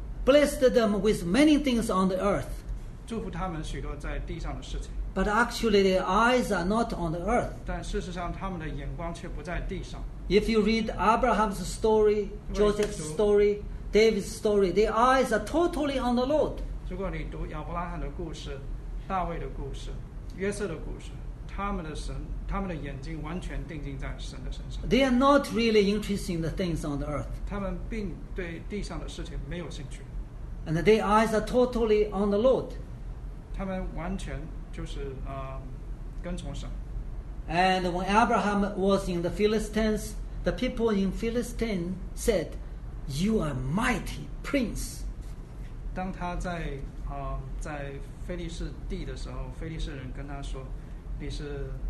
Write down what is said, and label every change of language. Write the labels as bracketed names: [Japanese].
[English] Blessed them with many things on the earth. [Chinese] 祝福他们许多在地上的事情。 [English] But actually, their eyes are not on the earth. [Chinese] 但事实上，他们的眼光却不在地上。 [English] If you read Abraham's story, Joseph's story, David's story, their eyes are totally on the Lord. [Chinese] 如果你读亚伯拉罕的故事、大卫的故事、约瑟的故事，他们的神，他们的眼睛完全定睛在神的身上。 [English] They are not really interested in the things on the earth. [Chinese] 他们并对地上的事情没有兴趣。 [English] And their eyes are totally on the Lord. [Chinese] 他们完全就是跟从神。 [English] And when Abraham was in the Philistines, the people in Philistine said, "You are a mighty prince." [Chinese] 当他在在腓力士地的时候，腓力士人跟他说，你是